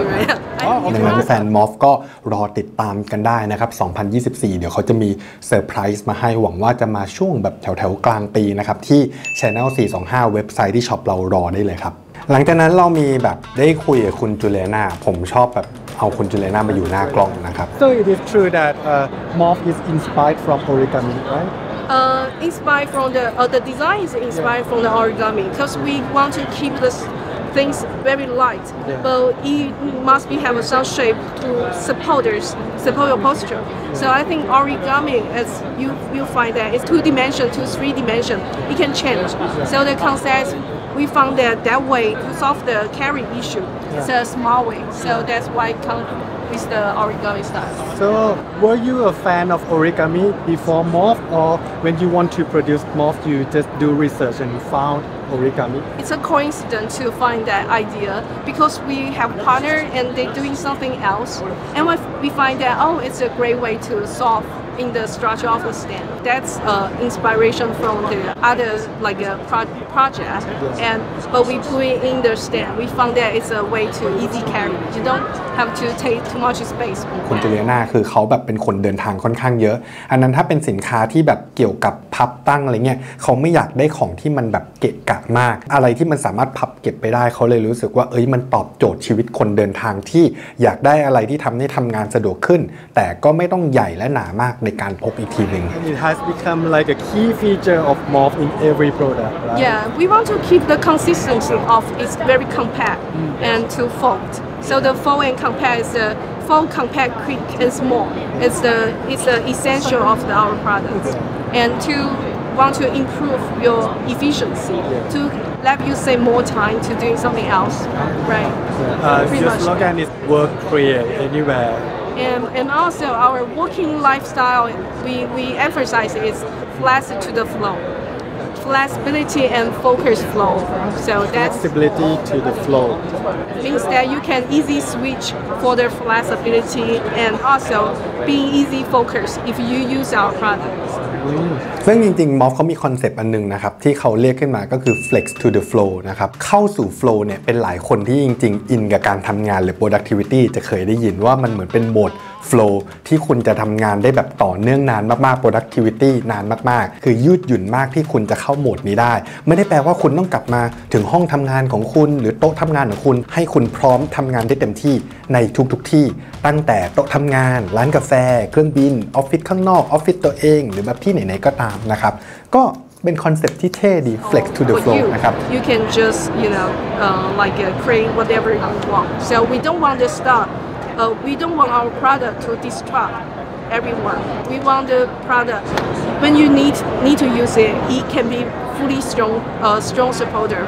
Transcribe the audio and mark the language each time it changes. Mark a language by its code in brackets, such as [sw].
[th] งนั้นแฟนมอฟก็รอติดตามกันได้นะครับ2024เดี๋ยวเขาจะมีเซอร์ไพรส์มาให้หวังว่าจะมาช่วงแบบแถวๆกลางปีนะครับที่ Channel 425เว็บไซต์ที่ช็อปเรารอได้เลยครับหลังจากนั้นเรามีแบบได้คุยกับคุณจูเลียน่าผมชอบแบบเอาคุณจูเลียน่ามาอยู่หน้ากล้องนะครับ [en] So it is true that Morph is inspired from origami right inspired from the design is inspired from the origami because we want to keep thisthings very light yeah. but it must be have some shape to support your posture so I think origami as you find that it's two dimension to three dimension it can change so the concept we found that way to solve the carry issue it's a small way so that's why come with the origami style so were you a fan of origami before Morph or when you want to produce Morph you just do research and you foundOrigami. It's a coincidence to find that idea because we have partner and they're doing something else and we find that oh it's a great way to solve in the structure of the stand. That's inspiration from the other like a pro- project, and but we put it in the stand. We found that it's a way to easy carry. You don't have to take too much space. [th] คุณจูเลียน่าคือเขาแบบเป็นคนเดินทางค่อนข้างเยอะอันนั้นถ้าเป็นสินค้าที่แบบเกี่ยวกับพับตั้งอะไรเงี้ยเขาไม่อยากได้ของที่มันแบบเกะกะมากอะไรที่มันสามารถพับเก็บไปได้เขาเลยรู้สึกว่าเอ้ยมันตอบโจทย์ชีวิตคนเดินทางที่อยากได้อะไรที่ทำให้ทำงานสะดวกขึ้นแต่ก็ไม่ต้องใหญ่และหนามากในการพกอีกทีนึง [en] It has become like a key feature of Morph in every product right? Yeah we want to keep the consistency of it's very compact and to fold so the fold and compact is the fold compact quick and small it's the essential of the our products and to want to improve your efficiency to let you save more time to doing something else right your slogan is work create anywhereAnd also our working lifestyle, we emphasize is flex to the flow, flexibility and focus flow. So that's flexibility to the flow means that you can easy switch for the flexibility and also being easy focus if you use our products. [th] ซึ่งจริงๆ Morph เขามีคอนเซปต์อันนึงนะครับที่เขาเรียกขึ้นมาก็คือ [en] flex to the flow [th] นะครับเข้าสู่ flow เนี่ยเป็นหลายคนที่จริงๆอินกับการทำงานหรือ productivity จะเคยได้ยินว่ามันเหมือนเป็นโหมดflow ที่คุณจะทำงานได้แบบต่อเนื่องนานมากๆ productivity นานมากๆคือยืดหยุ่นมากที่คุณจะเข้าโหมดนี้ได้ไม่ได้แปลว่าคุณต้องกลับมาถึงห้องทำงานของคุณหรือโต๊ะทำงานของคุณให้คุณพร้อมทำงานได้เต็มที่ในทุกที่ ตั้งแต่โต๊ะทำงานร้านกาแฟเครื่องบินออฟฟิศข้างนอกออฟฟิศตัวเองหรือแบบที่ไหนๆก็ตามนะครับก็เป็นคอนเซ็ปต์ที่เท่ดี [en] flex to the flow [th] นะครับ [en] you can just you know like create whatever you want so we don't want to stopwe don't want our product to distract everyone. We want the product when you need to use it, it can be fully strong supporter.